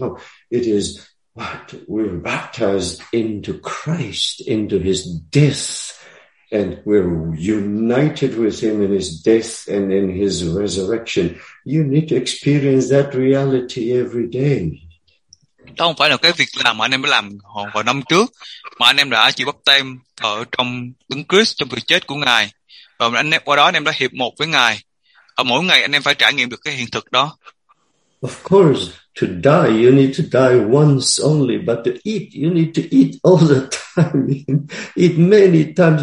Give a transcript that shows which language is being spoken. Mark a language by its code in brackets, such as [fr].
[en] No, it is what we were baptized into Christ, into his death, and we're united with him in his death and in his resurrection. You need to experience that reality every day. [vi] Đó không phải là cái việc làm mà anh em đã làm vào năm trước, mà anh em đã chịu báp têm ở trong Đấng Christ, trong sự chết của Ngài. Và anh em qua đó anh em đã hiệp một với Ngài. Ở mỗi ngày anh em phải trải nghiệm được cái hiện thực đó. [en] Of course, to die, you need to die once only. But to eat, you need to eat all the time. Eat many times.